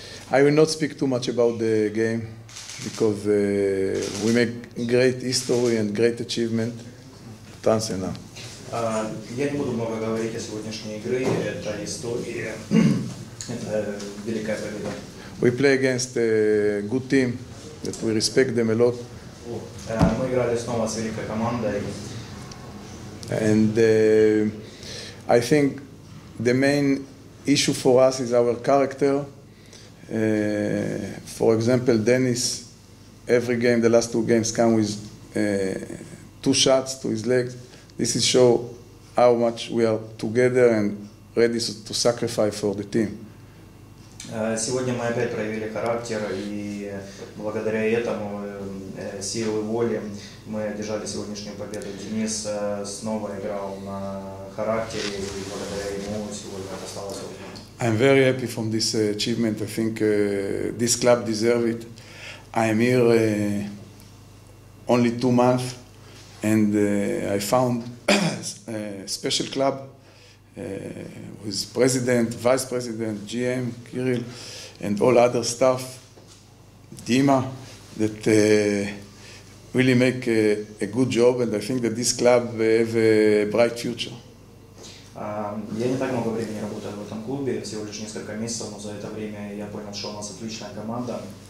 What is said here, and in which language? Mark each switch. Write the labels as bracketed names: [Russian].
[English] I will not speak too much about the game because we make great history and great achievement. Танцена. [Russian] Я не буду много говорить о сегодняшней игре. Это история. Это великая победа. [English] We play against a good team that we respect them a lot. [Russian] Мы играли снова с великой командой. [English] And I think the main issue for us is our character. For example, Dennis, every game, the last two games, come with two shots to his legs. This is show how much we are together and ready to sacrifice for the team. [Russian] Сегодня мы опять проявили характер, и благодаря этому силы воли мы одержали сегодняшнюю победу. Денис снова играл на характере, и благодаря ему сегодня это стало сегодня. [English] I'm very happy from this achievement. I think this club deserves it. I'm here only 2 months, and I found a special club with president, vice president, GM, Kirill, and all other staff, Dima, that really make a good job, and I think that this club has a bright future. [Russian] Я не так много времени работаю в этом клубе, всего лишь несколько месяцев, но за это время я понял, что у нас отличная команда.